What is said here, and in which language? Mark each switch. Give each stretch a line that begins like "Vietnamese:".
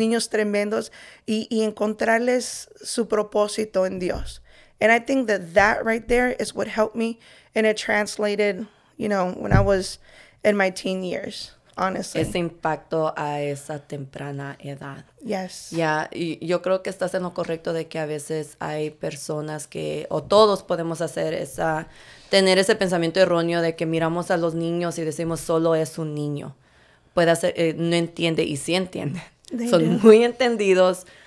Spanish: Niños tremendos y encontrarles su propósito en Dios.
English: And I think that that right there is what helped me, and it translated, you know, when I was in my teen years, honestly.
Spanish: Ese impacto a esa temprana edad.
English: Yes. Yeah,
Spanish: y yo creo que estás en lo correcto de que a veces hay personas que, o todos podemos hacer esa, tener ese pensamiento erróneo de que miramos a los niños y decimos, solo es un niño. Puede ser, no entiende, y sí entiende. Son muy entendidos.